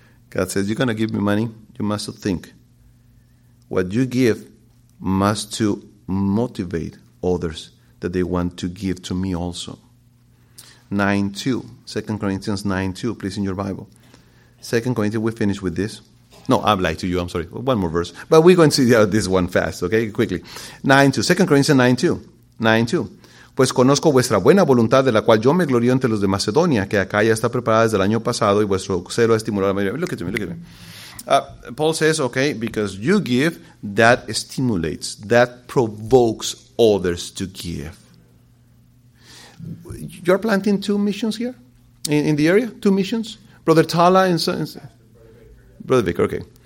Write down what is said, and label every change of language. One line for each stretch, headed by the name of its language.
English: God says, you're going to give me money, you must think. What you give must to motivate others that they want to give to me also. 9:2, 2 Corinthians 9:2, please, in your Bible. 2 Corinthians, we finish with this. No, I've lied to you, I'm sorry. One more verse. But we're going to see this one fast, okay, quickly. 9:2, 2 Corinthians 9:2. 9:2.
Spanish: pues conozco vuestra buena voluntad, de la cual yo me glorío entre los de Macedonia, que acá ya está preparada desde el año pasado, y vuestro celo ha estimulado a la mayoría.
English: Look at me, look at me. Paul says, okay, because you give, that stimulates, that provokes others to give. You're planting two missions here in the area? Two missions? Brother Tala and so, Brother Vicker, okay.